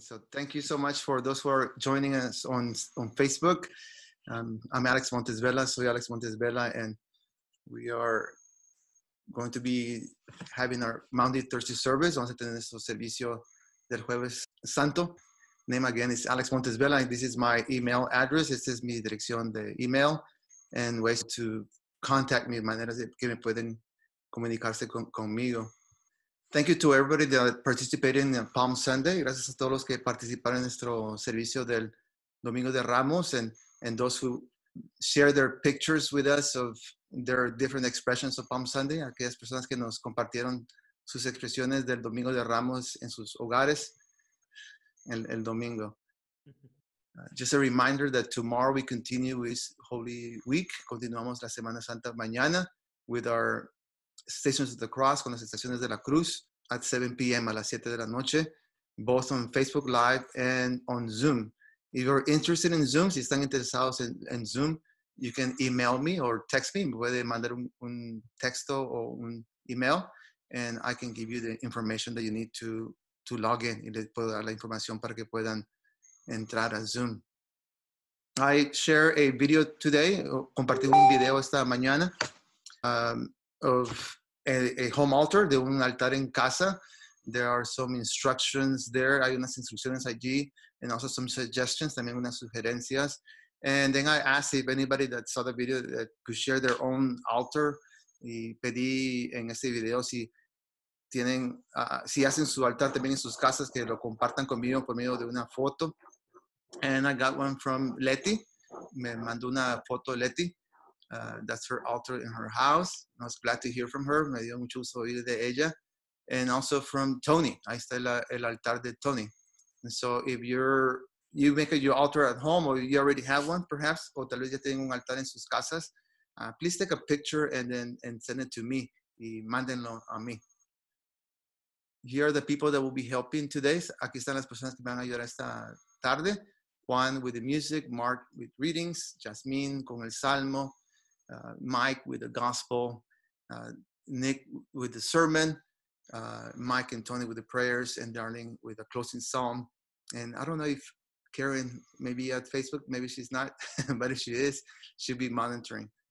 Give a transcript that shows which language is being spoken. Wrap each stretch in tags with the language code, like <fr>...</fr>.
<en>So thank you so much for those who are joining us on Facebook. I'm Alex Montes Vela,</en> <es>soy Alex Montes Vela,</es> <en>and we are going to be having our Monday Thursday service.</en> <es>Vamos a tener nuestro servicio del Jueves Santo.</es> <en>Name again is Alex Montes Vela. This is my email address.</en> <es>Esta es mi dirección de email</es> <en>and ways to contact me,</en> <es>maneras de que me pueden comunicarse conmigo.</es> <en>Thank you to everybody that participated in Palm Sunday.</en> <es>Gracias a todos los que participaron en nuestro servicio del Domingo de Ramos</es> <en>and those who shared their pictures with us of their different expressions of Palm Sunday.</en> <es>Aquellas personas que nos compartieron sus expresiones del Domingo de Ramos en sus hogares el domingo.</es> <en>Just a reminder that tomorrow we continue with Holy Week.</en> <es>Continuamos la Semana Santa mañana</es> <en>with our Stations of the Cross,</en> <es>con las estaciones de la cruz,</es> <en>at 7 p.m.</en> <es>a las 7 de la noche,</es> <en>both on Facebook Live and on Zoom. If you're interested in Zoom,</en> <es>si están interesados en Zoom,</es> <en>you can email me or text me.</en> <es>Me puede mandar un texto o un email,</es> <en>and I can give you the information that you need to log in.</en> <es>Y les puedo dar la información para que puedan entrar a Zoom.</es> <en>I share a video today,</en> <es>compartí un video esta mañana.</es> <en>Of a home altar,</en> <es>de un altar en casa.</es> <en>There are some instructions there.</en> <es>Hay unas instrucciones allí,</es> <en>and also some suggestions,</en> <es>también unas sugerencias.</es> <en>And then I asked if anybody that saw the video that could share their own altar.</en> <es>Y pedí en este video si tienen, si hacen su altar también en sus casas, que lo compartan conmigo por medio de una foto.</es> <en>And I got one from Letty.</en> <es>Me mandó una foto Letty.</es> <en>That's her altar in her house. I was glad to hear from her.</en> <es>Me dio mucho gusto oír de ella.</es> <en>And also from Tony.</en> <es>Ahí está el altar de Tony.</es> <en>And so if you make your altar at home, or you already have one, perhaps,</en> <es>o tal vez ya tienen un altar en sus casas,</es> <en>please take a picture and send it to me.</en> <es>Y mándenlo a mí.</es> <en>Here are the people that will be helping today.</en> <es>Aquí están las personas que van a ayudar esta tarde.</es> <en>Juan with the music, Mark with readings, Jasmine con el salmo, Mike with the gospel, Nick with the sermon, Mike and Tony with the prayers, and Darling with a closing psalm. And I don't know if Karen maybe at Facebook, maybe she's not, but if she is, she'll be monitoring.</en>